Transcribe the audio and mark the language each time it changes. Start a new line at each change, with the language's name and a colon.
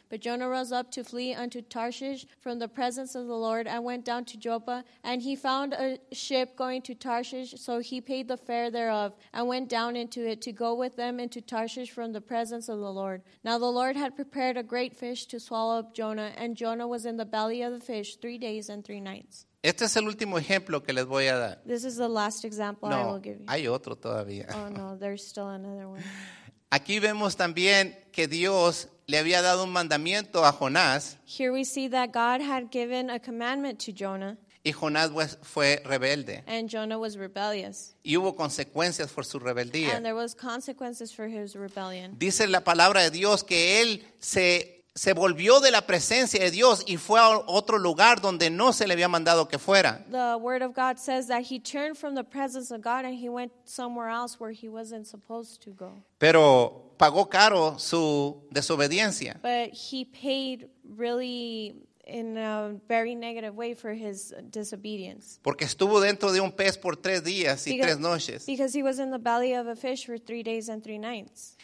English: But Jonah rose up to flee unto Tarshish from the presence of the Lord, and went down to Joppa. And he found a ship going to Tarshish, so he paid the fare thereof, and went down into it to go with them into Tarshish from the presence of the Lord. Now the Lord had prepared a great fish to swallow up Jonah, and Jonah was in the belly of the fish 3 days and 3 nights.
Spanish: Este es el último ejemplo que les voy a dar.
English: This is the last example no, I will give you.
Spanish: Hay otro todavía.
English: Oh no, there's still another one.
Spanish: Aquí vemos también que Dios le había dado un mandamiento a Jonás.
English: Here we see that God had given a commandment to Jonah.
Spanish: Y Jonás fue rebelde.
English: And Jonah was rebellious.
Spanish: Y hubo consecuencias por su rebeldía.
English: And there was consequences for his rebellion.
Spanish: Dice la palabra de Dios que él se volvió de la presencia de Dios y fue a otro lugar donde no se le había mandado que fuera.
English: The word of God says that he turned from the presence of God and he went somewhere else where he wasn't supposed to go.
Spanish: Pero pagó caro su desobediencia.
English: But he paid really in a very negative way for his disobedience.
Spanish: Porque estuvo dentro de un pez por 3 días y 3 noches.
English: Because he was in the belly of a fish for 3 days and 3 nights.